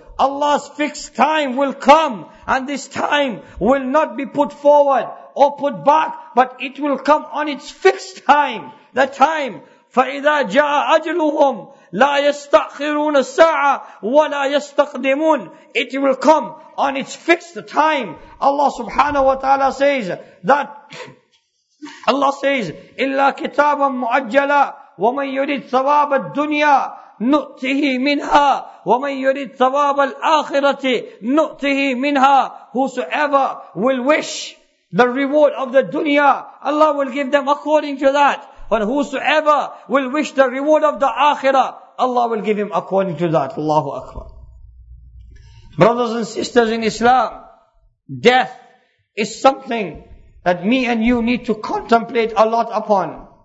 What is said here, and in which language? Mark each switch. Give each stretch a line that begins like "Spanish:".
English: Allah's fixed time will come, and this time will not be put forward or put back, but it will come on its fixed time, the time.
Arabic: فَإِذَا جَاءَ أَجْلُهُمْ لَا يَسْتَأْخِرُونَ السَّاعَةَ وَلَا يَسْتَقْدِمُونَ.
English: It will come on its fixed time. Allah subhanahu wa ta'ala says that, Allah says,
Arabic: إِلَّا كِتَابًا مُعَجَّلًا وَمَنْ يُرِدْ ثَوَابَ الدُّنْيَا نُؤْتِهِ مِنْهَا وَمَنْ يُرِدْ ثَوَابَ الْآخِرَةِ نُؤْتِهِ مِنْهَا.
English: Whosoever will wish the reward of the dunya, Allah will give them according to that. But whosoever will wish the reward of the akhirah, Allah will give him according to that. Allahu Akbar. Brothers and sisters in Islam, death is something that me and you need to contemplate a lot upon.